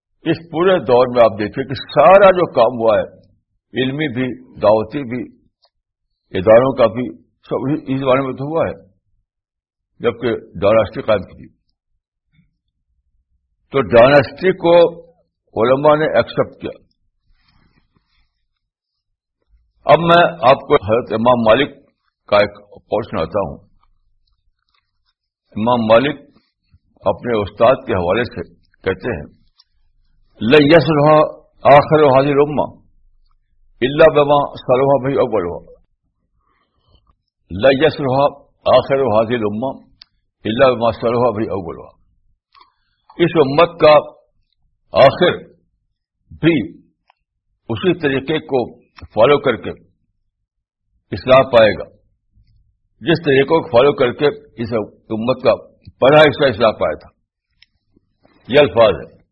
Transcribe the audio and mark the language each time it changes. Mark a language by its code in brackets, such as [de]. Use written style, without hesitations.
[ur] اس پورے دور میں آپ دیکھیں کہ سارا جو کام ہوا ہے, علمی بھی, دعوتی بھی, اداروں کا بھی, سب اس زمانے میں تو ہوا ہے جبکہ ڈائناسٹی قائم کی. تو ڈائناسٹی کو علماء نے ایکسپٹ کیا. اب میں آپ کو حضرت امام مالک کا ایک قول سناتا ہوں. امام مالک اپنے استاد کے حوالے سے کہتے ہیں, [ar] لن يصلح آخر هذه الأمة إلا بما صلح به أولها, لن يصلح آخر هذه الأمة إلا بما صلح به أولها. [ur] اس امت کا آخر بھی اسی طریقے کو فالو کر کے اصلاح پائے گا جس طریقے کو فالو کر کے اس امت کا پہلا حصہ اصلاح پایا تھا. یہ الفاظ ہے.